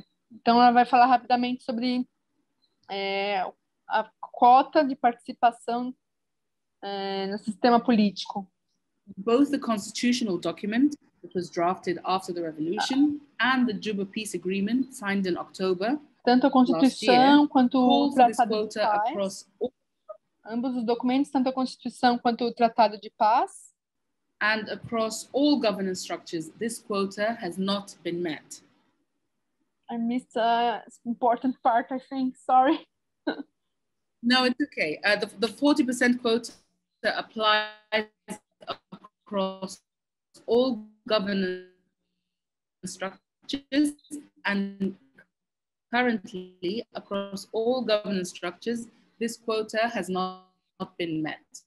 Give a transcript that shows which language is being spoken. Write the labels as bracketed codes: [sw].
[pt] Então, ela vai falar rapidamente sobre... a quota de participação no sistema político. [en] Both the constitutional document that was drafted after the revolution and the Juba Peace Agreement signed in October. [pt] Tanto a Constituição quanto o Tratado de Paz. Ambos os documentos, tanto a Constituição quanto o Tratado de Paz. [en] And across all governance structures, this quota has not been met. I missed an important part, I think. Sorry. No, it's okay. The 40% quota applies across all governance structures, and currently across all governance structures, this quota has not been met.